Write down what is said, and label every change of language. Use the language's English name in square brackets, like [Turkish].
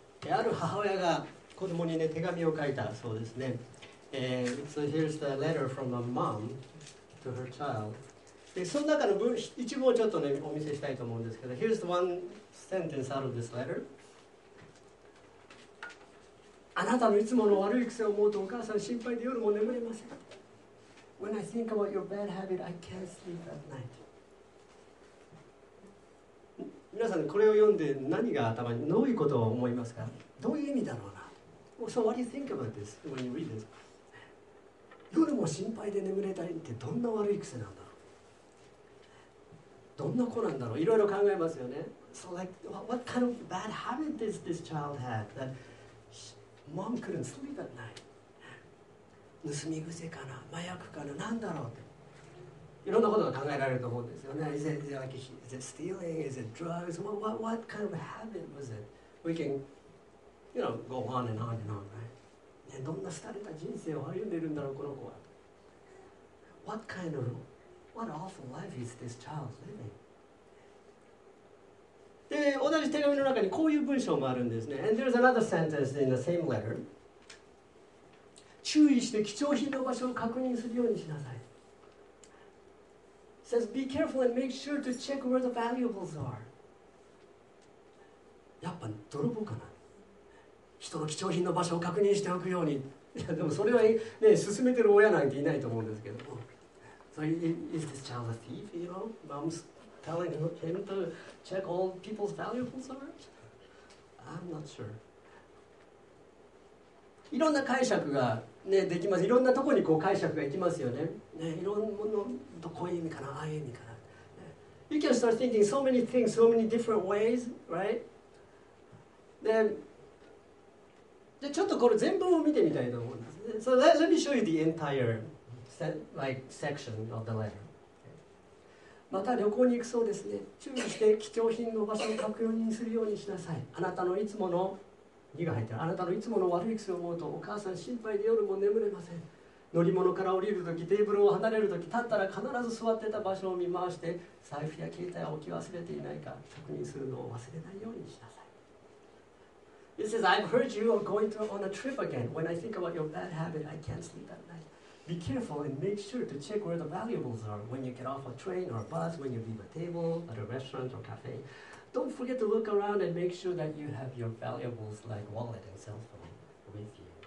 [Japanese] ある母親が子供に、ね、手紙を書いたそうですね。 [English] So here's the letter from a mom to her child. [Japanese] でその中の文一部をちょっと、ね、お見せしたいと思うんですけど、 [English] Here's the one sentence out of this letter. [Japanese] あなたのいつもの悪い癖を思うとお母さん心配で夜も眠れません。 [English] When I think about your bad habit, I can't sleep at night. [Japanese] 皆さんこれを読んで何が頭にどういうことを思いますか。どういう意味だろうな。 [English] So what do you think about this when you read this? [Japanese] 夜も心配で眠れたりってどんな悪い癖なんだろう。どんな子なんだろう。いろいろ考えますよね。 [English] So like what kind of bad habit does this child have that mom couldn't sleep at night? [Japanese] 盗み癖かな、麻薬かな、なんだろうって、いろんなことが考えられると思うんですよね。 [English] Is it stealing? Is it drugs? What kind of habit was it? We can, you know, go on and on and on, right? [Japanese] どんな廃れた人生を歩んでいるんだろう、この子は。 [English] What kind of, what awful life is this child living? [Japanese] で、同じ手紙の中にこういう文章もあるんですね。 [English] And there's another sentence in the same letter. [Japanese] 注意して貴重品の場所を確認するようにしなさい。 [English] It says, be careful and make sure to check where the valuables are. [Japanese] やっぱ泥棒かな。人の貴重品の場所を確認しておくように。いやでもそれはね、勧めてる親なんていないと思うんですけど。 [English] So is this child a thief, you know? Mom's telling him to check all people's valuables are? I'm not sure. [Japanese] いろんな解釈が、ね、できます。いろんなところにこう解釈がいきますよ ね。いろんなものとこういう意味かな、ああいう意味かな、ね。 [English] You can start thinking so many things, so many different ways, right? [Japanese] でちょっとこれ全文を見てみたいと思うんです。 [English] So let me show you the entire section of the letter. [Japanese] また旅行に行くそうですね。注意して貴重品の場所を確認するようにしなさい。あなたのいつもの2が入ってる。あなたのいつもの悪い癖を思うとお母さん心配で夜も眠れません。乗り物から降りるとき、テーブルを離れるとき、立ったら必ず座ってた場所を見回して、財布や携帯を置き忘れていないか確認するのを忘れないようにしなさい。 [English] It says, I've heard you are going to on a trip again. When I think about your bad habit, I can't sleep at night. Be careful and make sure to check where the valuables are when you get off a train or a bus, when you leave a table at a restaurant or cafe. Don't forget to look around and make sure that you have your valuables like wallet and cell phone with you.